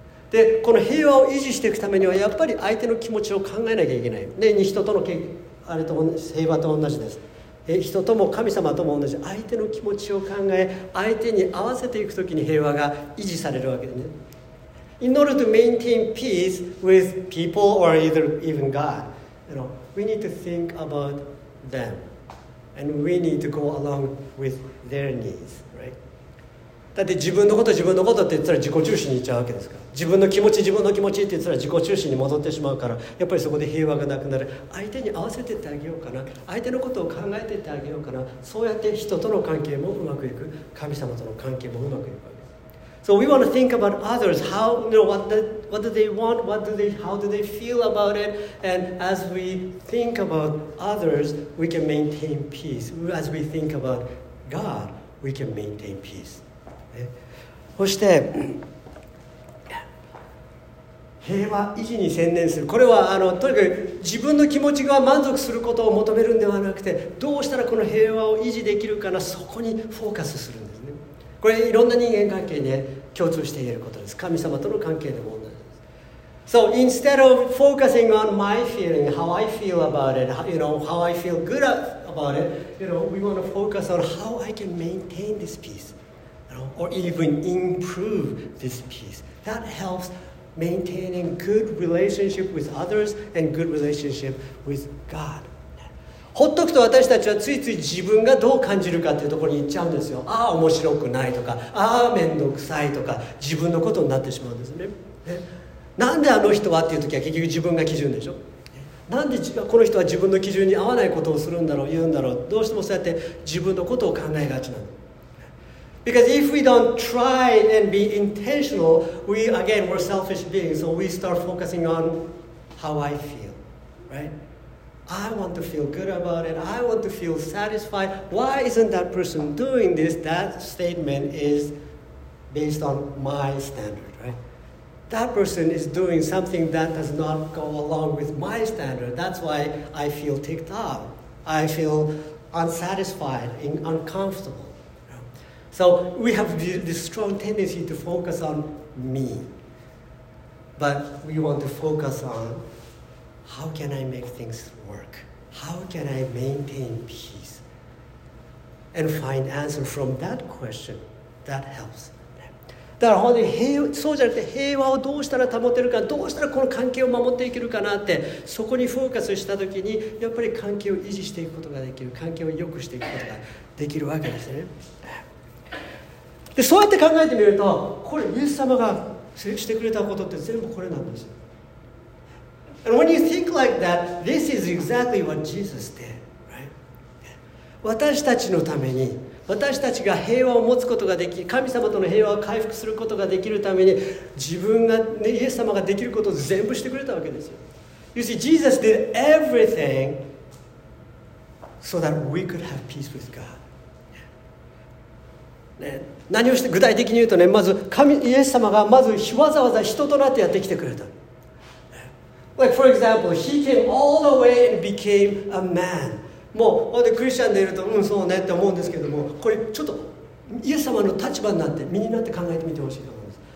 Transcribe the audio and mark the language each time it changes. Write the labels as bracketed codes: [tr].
[ja] でこの平和を維持していくためにはやっぱり相手の気持ちを考えなきゃいけない、ね、人とのあれと平和と同じです。人とも神様とも同じ、相手の気持ちを考え相手に合わせていくときに平和が維持されるわけでね。 [en] In order to maintain peace with people or either even God, we need to think about them and we need to go along with their needs, right? [ja] だって自分のこと自分のことって言ったら自己中心にいっちゃうわけですから、自分の気持ち自分の気持ちって言ったら自己中心に戻ってしまうから、やっぱりそこで平和がなくなる。相手に合わせてってあげようかな、相手のことを考えてってあげようかな、そうやって人との関係もうまくいく、神様との関係もうまくいくわけです。 [en] So we want to think about others, how, you know, what do they want, what do they, how do they feel about it, and as we think about others, we can maintain peace. As we think about God, we can maintain peace [ja] そして平和維持に専念する。これはとにかく自分の気持ちが満足することを求めるんではなくて、どうしたらこの平和を維持できるかな、そこにフォーカスするんですね。これいろんな人間関係に共通していることです。神様との関係でも同じです。 [en] So instead of focusing on my feeling, how I feel about it, you know, how I feel good about it, you know, we want to focus on how I can maintain this peaceor even improve this peace. That helps maintaining good relationship with others and good relationship with God. [ja] ほっとくと私たちはついつい自分がどう感じるかっていうところに行っちゃうんですよ。ああ面白くないとか、ああ面倒くさいとか、自分のことになってしまうんですね。なんであの人はっていうときは結局自分が基準でしょ。なんでこの人は自分の基準に合わないことをするんだろう、言うんだろう。どうしてもそうやって自分のことを考えがちなの。 [en] Because if we don't try and be intentional, we again we're selfish beings, so we start focusing on how I feel, right? I want to feel good about it. I want to feel satisfied. Why isn't that person doing this? That statement is based on my standard, right? That person is doing something that does not go along with my standard. That's why I feel ticked off. I feel unsatisfied and uncomfortable. So we have this strong tendency to focus on me. But we want to focus on how can I make things work? How can I maintain peace? And find answer from that question that helps. [ja] だから本当に平和、そうじゃなくて平和をどうしたら保てるか、どうしたらこの関係を守っていけるかなって、そこにフォーカスしたときに、やっぱり関係を維持していくことができる、関係を良くしていくことができるわけですね。で、そうやって考えてみると、これ、イエス様がしてくれたことって全部これなんですよ。 [en] And when you think like that, this is exactly what Jesus did, right? [ja] 私たちのために、私たちが平和を持つことができ、神様との平和を回復することができるために、自分が、ね、イエス様ができることを全部してくれたわけですよ。 [en] You see, Jesus did everything so that we could have peace with God. [ja] ね、何をして具体的に言うとね、まず神イエス様がまずわざわざ人となってやってきてくれた。 [en] Like for example, he came all the way and became a man. [ja] もうでクリスチャンでいると、うんそうねって思うんですけども、これちょっとイエス様の立場になって身になって考えてみてほしいと思います。